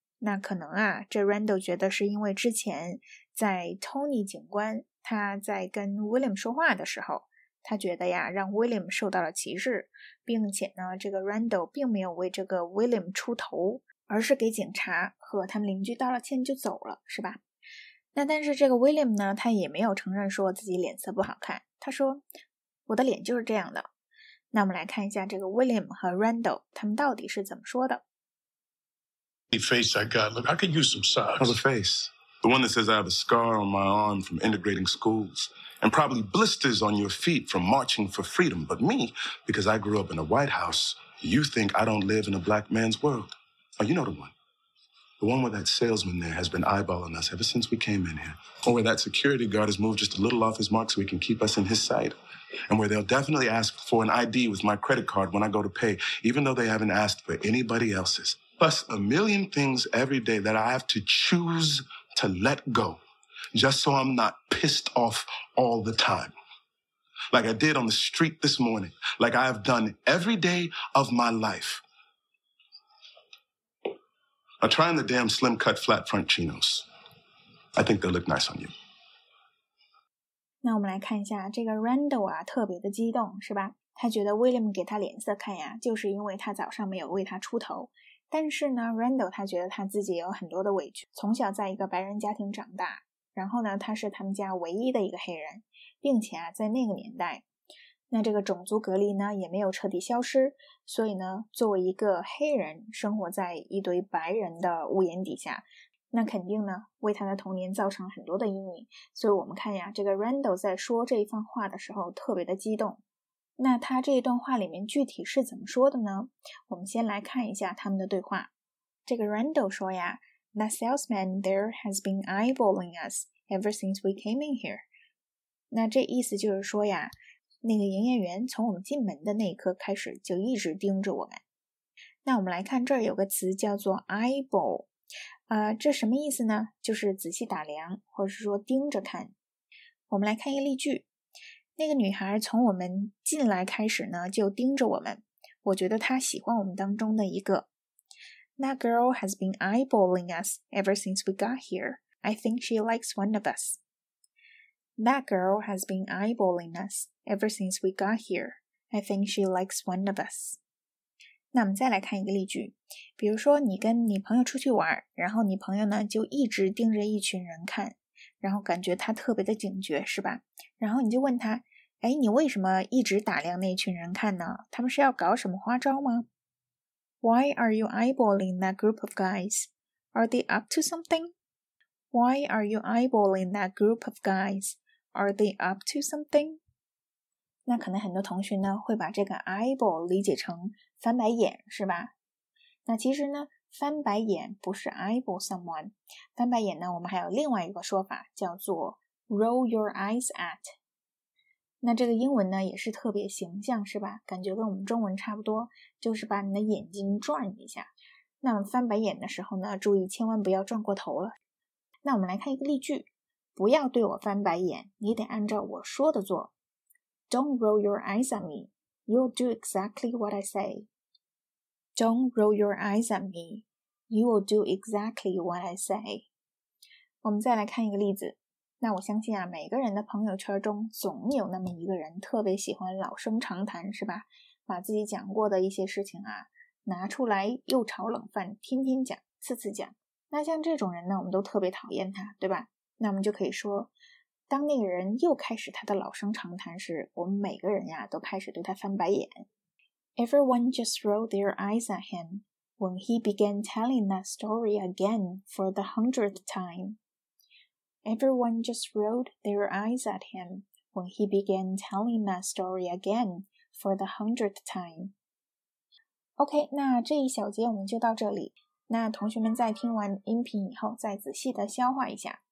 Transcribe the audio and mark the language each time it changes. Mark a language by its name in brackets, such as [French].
[Chinese] 那可能啊，这 Randall 觉得是因为之前在 Tony 警官他在跟 William 说话的时候，他觉得呀让 William 受到了歧视，并且呢这个 Randall 并没有为这个 William 出头，而是给警察和他们邻居道了歉就走了，是吧？那但是这个 William 呢，他也没有承认说自己脸色不好看，他说我的脸就是这样的。那我们来看一下这个 William 和 Randall 他们到底是怎么说的。 [English] The face I got, look, I could use some socks. Oh, the face. The one that says I have a scar on my arm from integrating schools, and probably blisters on your feet from marching for freedom. But me, because I grew up in a white house, you think I don't live in a black man's world. Oh, you know the one. The one where that salesman there has been eyeballing us ever since we came in here. Or where that security guard has moved just a little off his mark so he can keep us in his sight. And where they'll definitely ask for an ID with my credit card when I go to pay, even though they haven't asked for anybody else's. Plus a million things every day that I have to choose to let go, just so I'm not pissed off all the time. Like I did on the street this morning. Like I have done every day of my life. I'm trying the damn slim cut flat front chinos. I think they'll look nice on you. [Chinese] 那我们来看一下这个 Randall 啊，特别的激动，是吧？他觉得 William 给他脸色看呀，就是因为他早上没有为他出头。但是呢 ，Randall 他觉得他自己有很多的委屈。从小在一个白人家庭长大，然后呢，他是他们家唯一的一个黑人，并且啊，在那个年代。那这个种族隔离呢也没有彻底消失，所以呢作为一个黑人生活在一堆白人的屋檐底下，那肯定呢为他的童年造成很多的阴影。所以我们看呀，这个 Randall 在说这一番话的时候特别的激动。那他这一段话里面具体是怎么说的呢？我们先来看一下他们的对话。这个 Randall 说呀， [English] That salesman there has been eyeballing us ever since we came in here. [Chinese] 那这意思就是说呀，那个营业员从我们进门的那一刻开始就一直盯着我们。那我们来看这儿有个词叫做 eyeball， 这什么意思呢？就是仔细打量，或者是说盯着看。我们来看一个例句，那个女孩从我们进来开始呢就盯着我们，我觉得她喜欢我们当中的一个。 [English] That girl has been eyeballing us ever since we got here. I think she likes one of us. That girl has been eyeballing us ever since we got here. I think she likes one of us. [Chinese] 那我们再来看一个例句，比如说你跟你朋友出去玩，然后你朋友呢就一直盯着一群人看，然后感觉他特别的警觉，是吧？然后你就问他，哎，你为什么一直打量那群人看呢？他们是要搞什么花招吗？ [English] Why are you eyeballing that group of guys? Are they up to something? Why are you eyeballing that group of guys? Are they up to something? [Chinese] 那可能很多同学呢会把这个 eyeball 理解成翻白眼，是吧？那其实呢翻白眼不是 [English] eyeball someone， [Chinese] 翻白眼呢我们还有另外一个说法叫做 [English] roll your eyes at。 [Chinese] 那这个英文呢也是特别形象，是吧？感觉跟我们中文差不多，就是把你的眼睛转一下。那么翻白眼的时候呢注意千万不要转过头了。那我们来看一个例句，不要对我翻白眼，你得按照我说的做。 [English] Don't roll your eyes at me, you'll do exactly what I say. Don't roll your eyes at me, you will do exactly what I say. [Chinese] 我们再来看一个例子，那我相信啊，每个人的朋友圈中总有那么一个人特别喜欢老生常谈，是吧？把自己讲过的一些事情啊，拿出来又炒冷饭，天天讲，次次讲。那像这种人呢我们都特别讨厌他，对吧？那我们就可以说，当那个人又开始他的老生常谈时，我们每个人呀都开始对他翻白眼。 [English] Everyone just rolled their eyes at him when he began telling that story again for the 100th time. Everyone just rolled their eyes at him when he began telling that story again for the 100th time. [Chinese] OK， 那这一小节我们就到这里。那同学们在听完音频以后再仔细的消化一下。